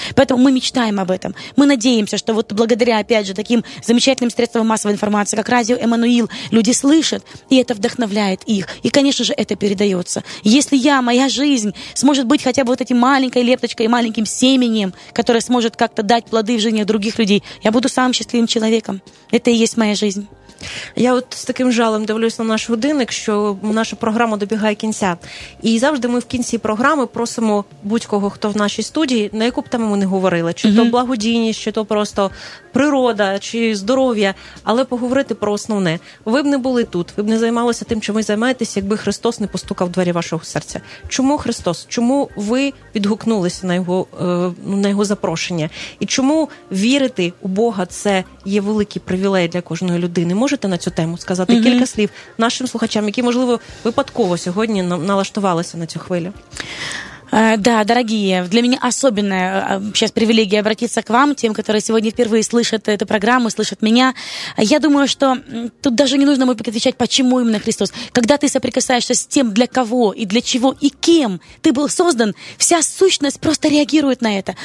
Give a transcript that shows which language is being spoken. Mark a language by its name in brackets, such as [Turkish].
[Russian] Поэтому мы мечтаем об этом. Мы надеемся, что вот благодаря, опять же, таким замечательным средствам массовой информации, как радио «Эммануил», люди слышат, и это вдохновляет их. И, конечно же, это передается. Если я, моя жизнь сможет быть хотя вот этим маленькой лепточкой, маленьким семенем, которое сможет как-то дать плоды в жизни других людей. Я буду самым счастливым человеком. Это и есть моя жизнь. [Ukrainian] Я от з таким жалем дивлюсь на наш годинник, що наша програма добігає кінця. І завжди ми в кінці програми просимо будь-кого, хто в нашій студії, на яку б тему ми не говорили, чи то благодійність, чи то просто природа, чи здоров'я, але поговорити про основне. Ви б не були тут, ви б не займалися тим, чим ви займаєтесь, якби Христос не постукав у двері ваш, вашого серця? Чому Христос? Чому ви відгукнулися на його запрошення? І чому вірити у Бога – це є великий привілей для кожної людини? Можете на цю тему сказати кілька слів нашим слухачам, які, можливо, випадково сьогодні налаштувалися на цю хвилю? [Russian] Да, дорогие, для меня особенная сейчас привилегия обратиться к вам, тем, которые сегодня впервые слышат эту программу, слышат меня. Я думаю, что тут даже не нужно, может быть, отвечать, почему именно Христос. Когда ты соприкасаешься с тем, для кого и для чего и кем ты был создан, вся сущность просто реагирует на это.